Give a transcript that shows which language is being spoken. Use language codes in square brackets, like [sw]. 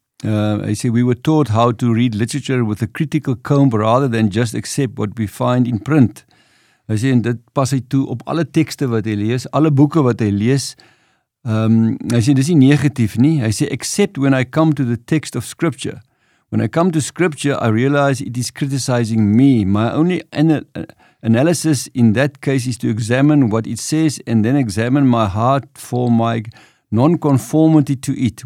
[af] Hy sê, [en] we were taught how to read literature with a critical comb, rather than just accept what we find in print. [af] Hy sê, en dit pas hy toe op alle tekste wat hy lees, alle boeken wat hy lees. Hy sê, dis nie negatief nie. Hy sê, [en] except when I come to the text of scripture. When I come to scripture, I realize it is criticizing me. My only analysis in that case is to examine what it says and then examine my heart for my non-conformity to it.